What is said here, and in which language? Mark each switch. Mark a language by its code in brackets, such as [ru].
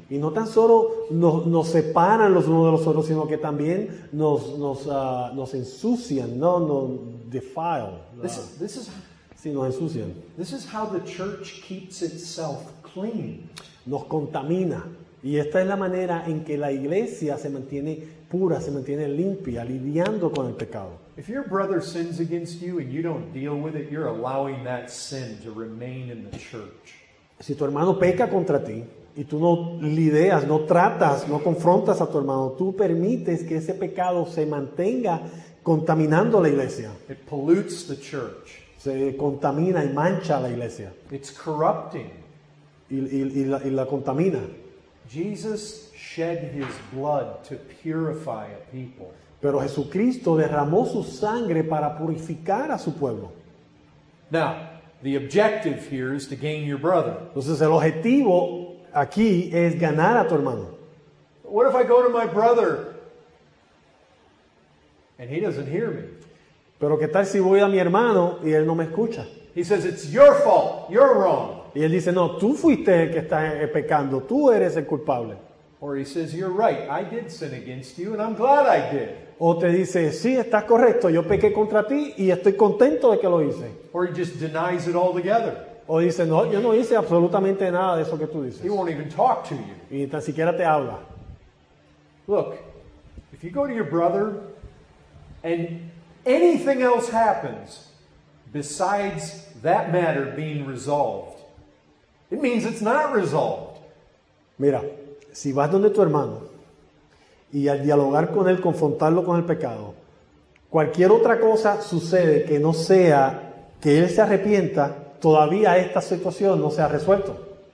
[es] Y no tan solo nos separan los unos de los otros, sino que también nos ensucian, no nos defile. Nos ensucian. [en] This is how the church keeps itself clean. [es] Nos contamina. Y esta es la manera en que la iglesia se mantiene pura, se mantiene limpia, lidiando con el pecado. [en] If your brother sins against you and you don't deal with it, you're allowing that sin to remain in the church. [es] Si tu hermano peca contra ti y tú no lidias, no tratas, no confrontas a tu hermano, tú permites que ese pecado se mantenga contaminando la iglesia. [en] It pollutes the church. [es] Se contamina y mancha la iglesia. [en] It's corrupting. [es] Y la contamina. [en] Jesus shed his blood to purify a people. [es] Pero Jesucristo derramó su sangre para purificar a su pueblo. [en] Now, the objective here is to gain your brother. [es] Entonces el objetivo aquí es ganar a tu hermano. [en] What if I go to my brother and he doesn't hear me? [es] Pero qué tal si voy a mi hermano y él no me escucha? [en] He says it's your fault. You're wrong. [es] Y él dice, no, tú fuiste el que está pecando. Tú eres el culpable. [en] Or he says, you're right. I did sin against you and I'm glad I did. [es] O te dice, sí, estás correcto. Yo pequé contra ti y estoy contento de que lo hice. [en] Or he just denies it altogether. [es] O dice, no, yo no hice absolutamente nada de eso que tú dices. [en] He won't even talk to you. [es] Y ni tan siquiera te habla. [en] Look, if you go to your brother and anything else happens besides that matter being resolved, it means it's not resolved. [es] Mira, si vas donde tu hermano y al dialogar con él, confrontarlo con el pecado, cualquier otra cosa sucede que no sea que él se arrepienta, todavía esta situación no se ha resuelto.